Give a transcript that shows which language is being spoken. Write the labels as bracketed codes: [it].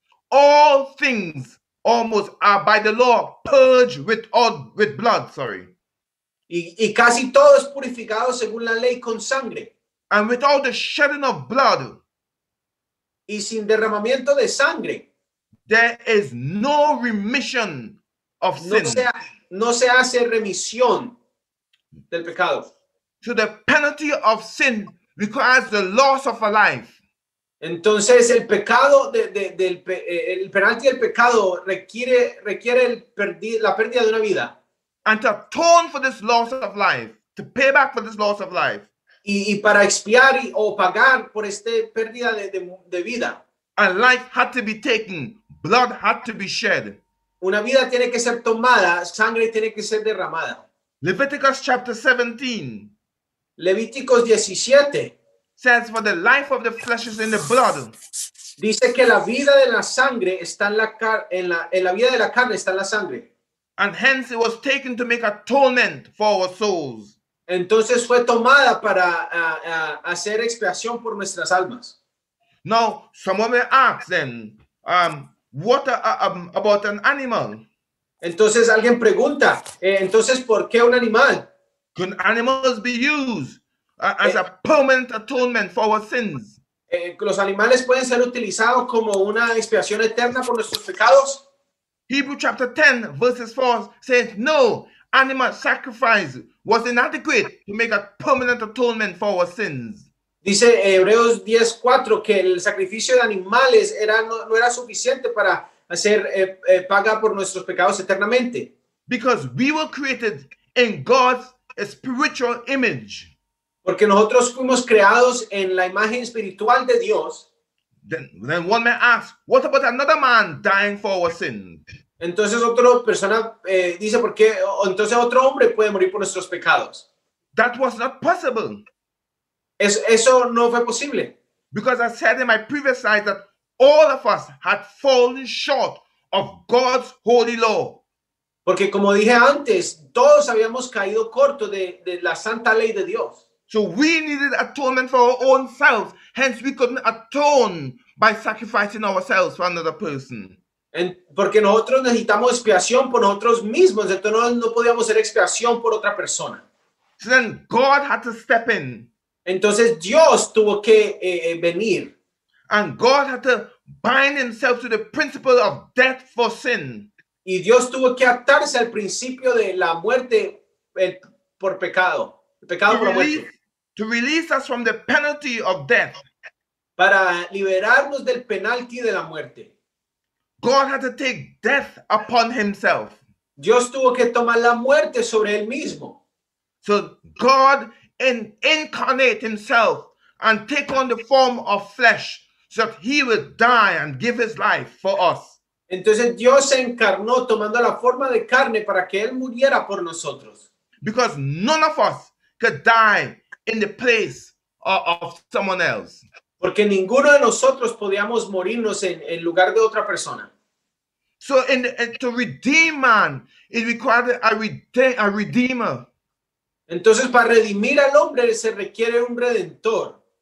[en] All things almost are by the law purged with blood, sorry. [es] Y casi todo es purificado según la ley con sangre. [en] And without the shedding of blood. [es] Y sin derramamiento de sangre. [en] There is no remission of sin. [es] No se hace remisión del pecado. [en] So the penalty of sin requires the loss of a life. [es] Entonces el pecado el penalti del pecado requiere la pérdida de una vida. [en] And to atone for this loss of life, to pay back for this loss of life. [es] Y para expiar o pagar por esta pérdida de vida. [en] A life had to be taken. Blood had to be shed. [es] Una vida tiene que ser tomada, sangre tiene que ser derramada. [en] Leviticus chapter 17. [es] Levíticos 17. [en] Says for the life of the flesh is in the blood. [es] Dice que la vida de la sangre está en la vida de la carne está en la sangre. [en] And hence it was taken to make atonement for our souls. [es] Entonces fue tomada para hacer expiación por nuestras almas. [en] Now someone may ask then, what about an animal? [es] Entonces alguien pregunta, entonces ¿por qué un animal? [en] Can animals be used as a permanent atonement for our sins? [es] ¿Los animales pueden ser utilizados como una expiación eterna por nuestros pecados? [en] Hebrews chapter 10 verses 4 says no, animal sacrifice was inadequate to make a permanent atonement for our sins. [es] Dice Hebreos 10:4 que el sacrificio de animales no era suficiente para hacer paga por nuestros pecados eternamente. [en] Because we were created in God's spiritual image. [es] Porque nosotros fuimos creados en la imagen espiritual de Dios. [en] Then one may ask, what about another man dying for our sins? [es] Entonces otra persona dice, ¿por qué? Entonces otro hombre puede morir por nuestros pecados. [en] That was not possible. [es] Eso no fue posible. [en] Because I said in my previous slide that all of us had fallen short of God's holy law. [es] Porque como dije antes, todos habíamos caído corto de la santa ley de Dios. [en] So we needed atonement for our own selves. Hence we couldn't atone by sacrificing ourselves for another person. [es] Porque nosotros necesitamos expiación por nosotros mismos. Entonces no podíamos hacer expiación por otra persona. [en] So then God had to step in. [es] Entonces Dios tuvo que venir. [en] And God had to bind himself to the principle of death for sin. [es] Y Dios tuvo que atarse al principio de la muerte por pecado. El pecado por muerte. [en] To release us from the penalty of death. [es] Para liberarnos del penalti de la muerte. [en] God had to take death upon himself. [es] Dios tuvo que tomar la muerte sobre él mismo. [en] So God and incarnate himself and take on the form of flesh so that he would die and give his life for us. [es] Entonces Dios se encarnó tomando la forma de carne para que él muriera por nosotros. [en] Because none of us could die in the place of someone else. [es] Porque ninguno de nosotros podíamos morirnos en lugar de otra persona. [en] So to redeem man, it required a redeemer. [es] Entonces, para redimir al hombre se requiere un redentor.